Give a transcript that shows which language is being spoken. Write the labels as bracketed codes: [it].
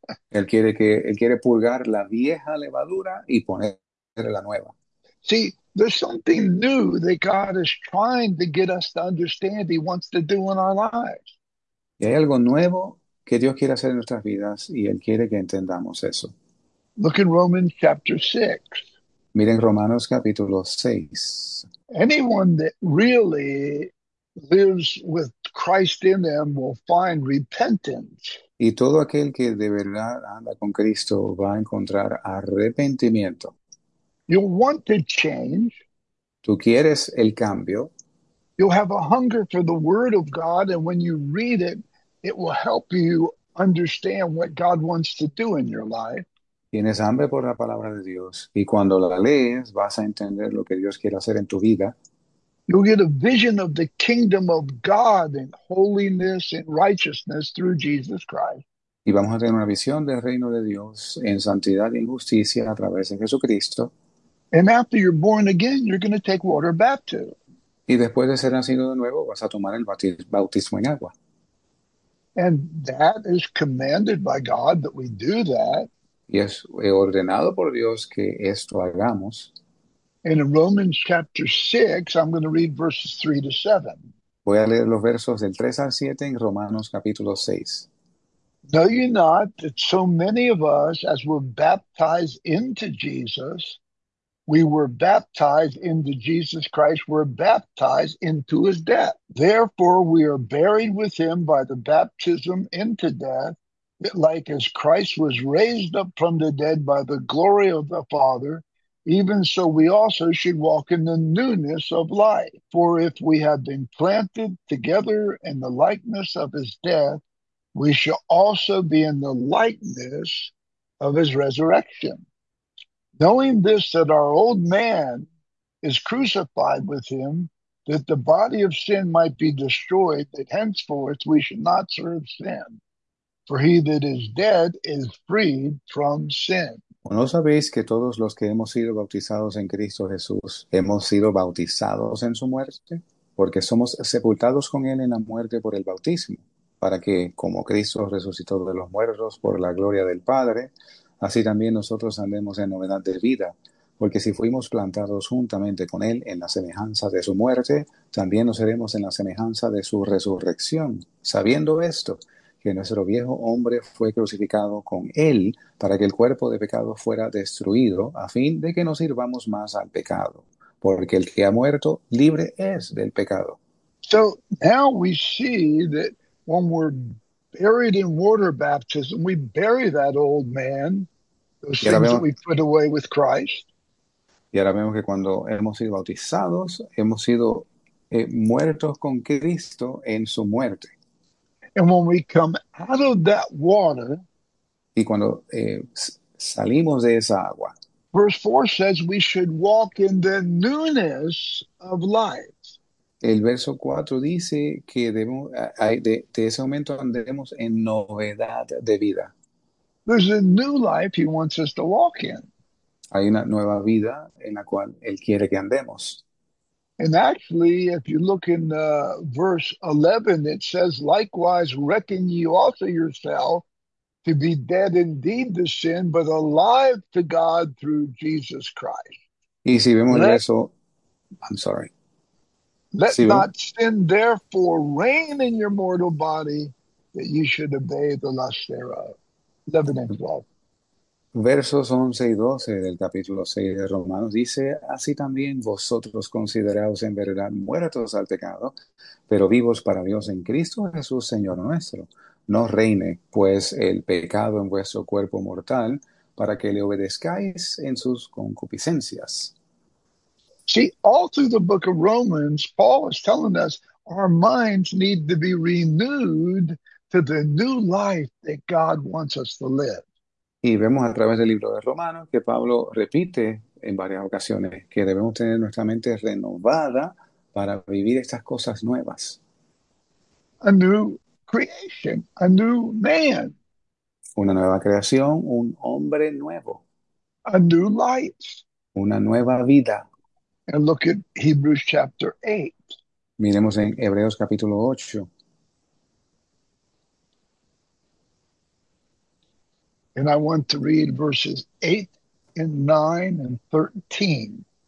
[es] Él quiere purgar la vieja levadura y poner la nueva. [en] See, there's something new that God is trying to get us to understand he wants to do in our lives. [es] Y hay algo nuevo que Dios quiere hacer en nuestras vidas y Él quiere que entendamos eso. [en] Look in Romans chapter 6. [es] Miren Romanos capítulo 6. [en] Anyone that really lives with Christ in them will find repentance. [es] Y todo aquel que de verdad anda con Cristo va a encontrar arrepentimiento. [en] You'll want to change. [es] Tú quieres el cambio. [en] You'll have a hunger for the Word of God, and when you read it, it will help you understand what God wants to do in your life. [es] Tienes hambre por la palabra de Dios y cuando la lees vas a entender lo que Dios quiere hacer en tu vida. [en] You'll get a vision of the kingdom of God and holiness and righteousness through Jesus Christ. [es] Y vamos a tener una visión del reino de Dios en santidad y en justicia a través de Jesucristo. [en] And after you're born again, you're going to take water baptism. [es] Y después de ser nacido de nuevo vas a tomar el bautismo en agua. [en] And that is commanded by God that we do that. [es] Y es ordenado por Dios que esto hagamos. [en] In Romans chapter 6, I'm going to read verses 3 to 7. [es] Voy a leer los versos del 3 al 7 en Romanos capítulo 6. [en] Know you not that so many of us as were baptized into Jesus, we were baptized into Jesus Christ, were baptized into his death. Therefore, we are buried with him by the baptism into death, that like as Christ was raised up from the dead by the glory of the Father, even so, we also should walk in the newness of life. For if we have been planted together in the likeness of his death, we shall also be in the likeness of his resurrection. Knowing this, that our old man is crucified with him, that the body of sin might be destroyed, that henceforth we should not serve sin. For he that is dead is freed from sin. [es] ¿O no sabéis que todos los que hemos sido bautizados en Cristo Jesús hemos sido bautizados en su muerte? Porque somos sepultados con él en la muerte por el bautismo, para que, como Cristo resucitó de los muertos por la gloria del Padre, así también nosotros andemos en novedad de vida. Porque si fuimos plantados juntamente con él en la semejanza de su muerte, también lo seremos en la semejanza de su resurrección, sabiendo esto, que nuestro viejo hombre fue crucificado con él para que el cuerpo de pecado fuera destruido a fin de que no sirvamos más al pecado, porque el que ha muerto libre es del pecado. [en] So now we see that when we're buried in water baptism, we bury that old man, those [es] Y ahora [en] things that [es] vemos [en] we put away with Christ. [es] que cuando hemos sido bautizados, hemos sido muertos con Cristo en su muerte. [en] And when we come out of that water, [es] Y cuando salimos de esa agua, [en] verse 4 says we should walk in the newness of life. [es] el verso 4 dice que debemos, de ese momento andaremos en novedad de vida. [en] There's a new life he wants us to walk in. [es] Hay una nueva vida en la cual Él quiere que andemos. [en] And actually, if you look in verse 11, it says, likewise, reckon ye also yourself to be dead indeed to sin, but alive to God through Jesus Christ. [es] Y si vemos el [en] Let [es] verso, [en] I'm sorry. let [es] Si vemos. [en] not sin therefore reign in your mortal body, that ye should obey the lust thereof. 11 and 12. [es] Versos 11 y 12 del capítulo 6 de Romanos dice: Así también vosotros considerados en verdad muertos al pecado, pero vivos para Dios en Cristo Jesús, Señor nuestro. No reine, pues, el pecado en vuestro cuerpo mortal para que le obedezcáis en sus concupiscencias. [en] See, all through the book of Romans, Paul is telling us our minds need to be renewed to the new life that God wants us to live. [es] Y vemos a través del libro de Romanos que Pablo repite en varias ocasiones que debemos tener nuestra mente renovada para vivir estas cosas nuevas. [en] A new creation, a new man, [es] Una nueva creación, un hombre nuevo, [en] a new light. [es] una nueva vida. [en] And look at Hebrews chapter 8. [es] Miremos en Hebreos capítulo 8. [en] And I want to read verses 8 and 9 and 13.